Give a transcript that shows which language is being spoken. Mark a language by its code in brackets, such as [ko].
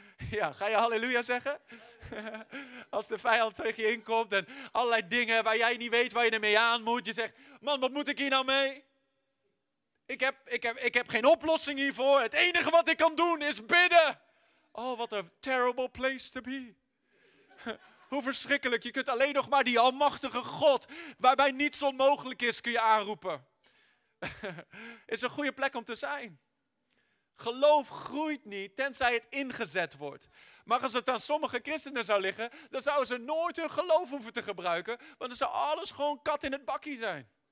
[nl] Ja, ga je halleluja zeggen? Als de vijand tegen je inkomt en allerlei dingen waar jij niet weet waar je ermee aan moet. Je zegt, man, wat moet ik hier nou mee? Ik heb geen oplossing hiervoor. Het enige wat ik kan doen is bidden. [en] Oh, what a terrible place to be. [nl] Hoe verschrikkelijk. Je kunt alleen nog maar die almachtige God, waarbij niets onmogelijk is, kun je aanroepen. Is een goede plek om te zijn. Geloof groeit niet, tenzij het ingezet wordt. Maar als het aan sommige christenen zou liggen, dan zouden ze nooit hun geloof hoeven te gebruiken, want dan zou alles gewoon kat in het bakkie zijn.